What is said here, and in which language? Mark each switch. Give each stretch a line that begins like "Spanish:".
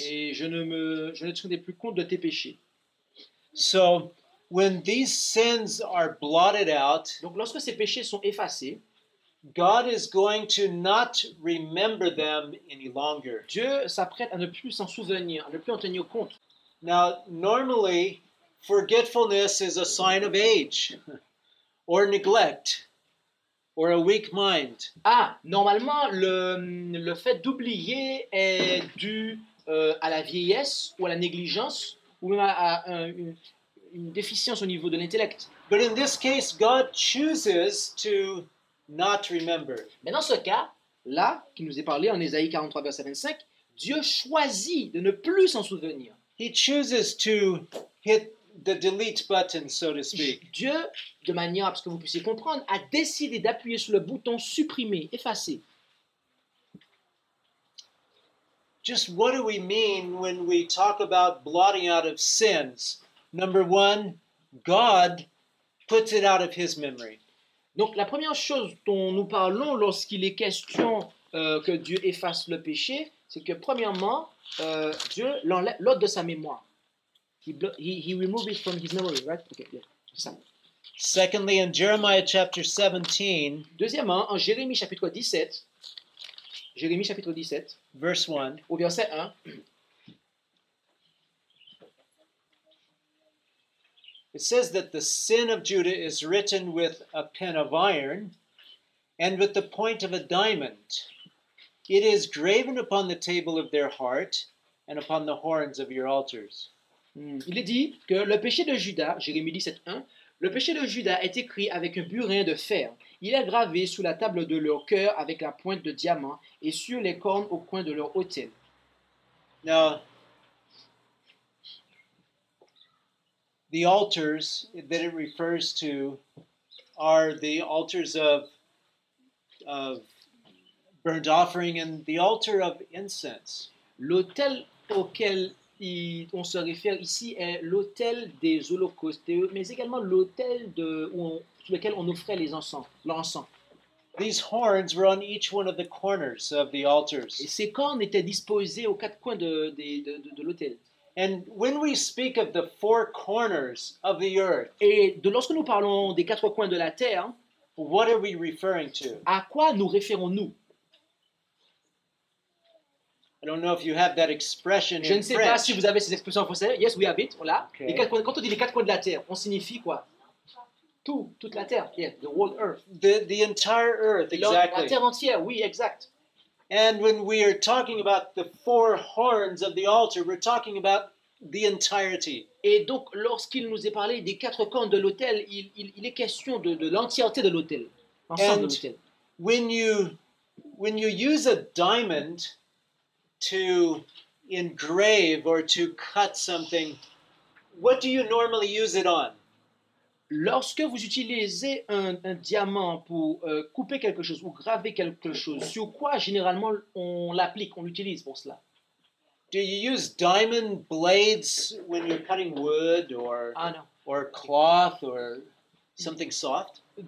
French: Et je ne tiendrai plus compte de tes péchés.
English: So, when these sins are blotted out,
French: donc lorsque ces péchés sont effacés,
English: God is going to not remember them any longer.
French: Dieu s'apprête à ne plus s'en souvenir, à ne plus en tenir compte.
English: Now, normally, forgetfulness is a sign of age, or neglect, or a weak mind.
French: Ah, normalement, le fait d'oublier est dû à la vieillesse ou à la négligence ou même à une déficience au niveau de l'intellect.
English: But in this case, God chooses to not remember.
French: Mais dans ce cas, là, qui nous est parlé en Ésaïe 43, verset 25, Dieu choisit de ne plus s'en souvenir.
English: He chooses to hit the delete button, so to speak.
French: Dieu, de manière à ce que vous puissiez comprendre, a décidé d'appuyer sur le bouton supprimer, effacer.
English: Just what do we mean when we talk about blotting out of sins? Number one, God puts it out of his memory.
French: Donc la première chose dont nous parlons lorsqu'il est question que Dieu efface le péché, c'est que premièrement, Dieu l'enlève de sa mémoire.
English: He removes it from his memory, right? Okay, yeah.
French: Ça.
English: Secondly, in Jeremiah chapter 17,
French: deuxièmement, en Jérémie chapitre 17, Jérémie chapitre 17,
English: verse 1,
French: au verset 1,
English: it says that the sin of Judah is written with a pen of iron and with the point of a diamond. It is graven upon the table of their heart and upon the horns of your altars.
French: Il est dit que le péché de Judas, Jérémie 17, 1, le péché de Judas est écrit avec un burin de fer. Il est gravé sous la table de leur cœur avec la pointe de diamant et sur les cornes au coin de leur autel.
English: Now, the altars that it refers to are the altars of burnt offering and the altar of incense.
French: L'autel auquel on se réfère ici est l'autel des holocaustes, mais également l'autel sur lequel on offrait les encens, l'encens.
English: These horns were on each one of the corners of the altars.
French: Et ces cornes étaient disposées aux quatre coins de l'autel.
English: And when we speak of the four corners of the earth,
French: et lorsque nous parlons des quatre coins de la terre,
English: what are we referring to?
French: À quoi nous référons-nous?
English: I don't know if you have that expression in French.
French: Je ne sais pas si vous avez cette expression en français.
English: Yes, we have it.
French: On l'a. Okay. Les quatre coins, quand on dit les quatre coins de la terre, on signifie quoi? Toute la terre.
English: Yeah, the whole earth. The entire earth, exactly.
French: La terre entière, oui, exact.
English: And when we are talking about the four horns of the altar, we're talking about the entirety.
French: Et donc, lorsqu'il nous est parlé des quatre cornes de l'autel, il est question de l'entièreté de l'autel, l'ensemble
English: and
French: de l'autel.
English: When you use a diamond to engrave or to cut something, what do you normally use it on?
French: Lorsque vous utilisez un diamant pour couper quelque chose ou graver quelque chose, sur quoi généralement on l'applique, on l'utilise pour cela?
English: Do you use diamond blades when you're cutting wood or or cloth or something soft?